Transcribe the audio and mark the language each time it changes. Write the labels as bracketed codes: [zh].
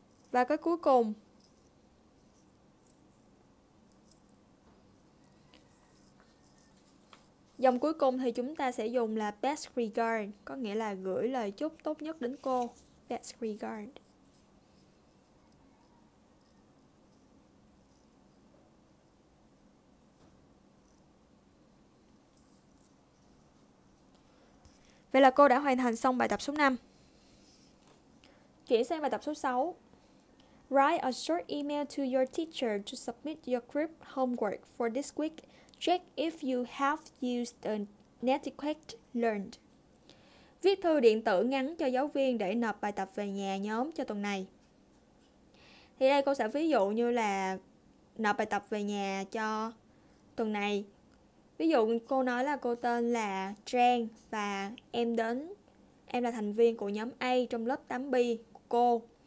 [vi] Và cái cuối cùng dòng cuối cùng thì chúng ta sẽ dùng là [en] best regard, [vi] có nghĩa là gửi lời chúc tốt nhất đến cô. [en] Best regard. [vi] Vậy là cô đã hoàn thành xong bài tập số 5. Chuyển sang bài tập số 6. [en] Write a short email to your teacher to submit your group homework for this week. Check if you have used the netiquette learned. [vi] Viết thư điện tử ngắn cho giáo viên để nộp bài tập về nhà nhóm cho tuần này. Thì đây cô sẽ ví dụ như là nộp bài tập về nhà cho tuần này. Ví dụ cô nói là cô tên là Trang và em là thành viên của nhóm A trong lớp 8B của cô.